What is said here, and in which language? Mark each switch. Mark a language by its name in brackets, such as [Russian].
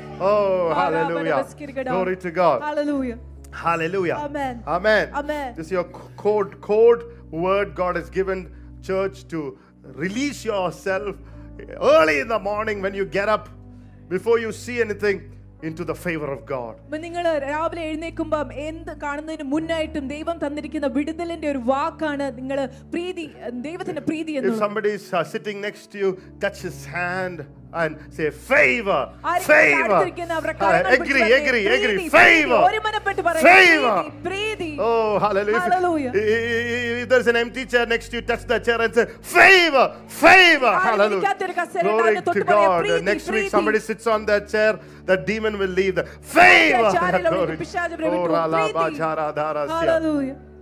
[English] Oh, hallelujah. Glory to God. Hallelujah. Hallelujah. Amen. Amen. Amen. This is your code word God has given church to release yourself early in the morning when you get up, before you see anything, into the favor of God. [Malayalam] നിങ്ങള് രാവിലെ എഴുന്നേൽക്കുമ്പോൾ എന്ത് കാണുന്നതിന് മുന്നായിട്ടും ദൈവം തന്നിരിക്കുന്ന വിടുതലിന്റെ ഒരു വാക്കാണ് നിങ്ങള് പ്രീതി, ദൈവത്തിന്റെ പ്രീതി എന്ന്. [English] If somebody is sitting next to you, touch his hand and say favor, favor. Agree, favor. [Malayalam] ഒരുമനപ്പെട്ട് പറയുക, [English] favor, [Malayalam] Preethi. [English] Oh, hallelujah. Hallelujah. If there's an empty chair next to you, touch the chair and say favor, favor. Hallelujah. Glory to God. Next week somebody sits on that chair, the demon will leave. The favor. Hallelujah.